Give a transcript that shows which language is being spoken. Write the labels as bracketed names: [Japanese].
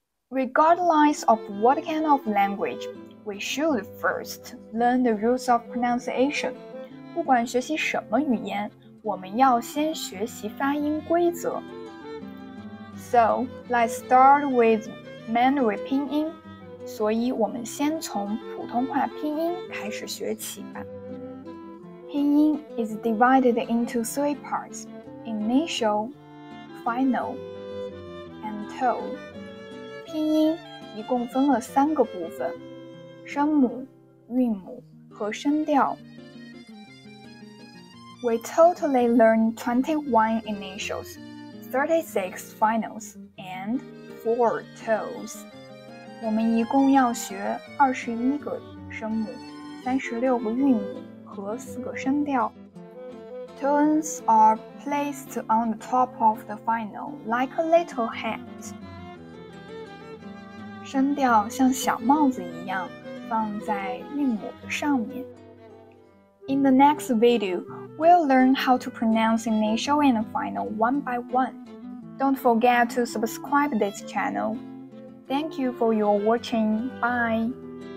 [English] Regardless of what kind of language, we should first learn the rules of pronunciation. [Chinese] 不管学习什么语言，我们要先学习发音规则。 [English] So, let's start with Mandarin 拼音。 [Chinese] 所以我们先从普通话拼音开始学起吧。 [English] Pinyin is divided into three parts, initial, final, and tone. [Chinese] 拼音一共分了三个部分，声母、韵母和声调。 [English] We totally learn 21 initials, 36 finals, and 4 toes. [Chinese] 我们一共要学21个声母、36个韵母和4个声调。 [English] Tones are placed on the top of the final, like a little hat. [Chinese] 声调像小帽子一样放在韵母的上面。 [English] In the next video, we'll learn how to pronounce initial and final one by one. Don't forget to subscribe this channel. Thank you for your watching. Bye!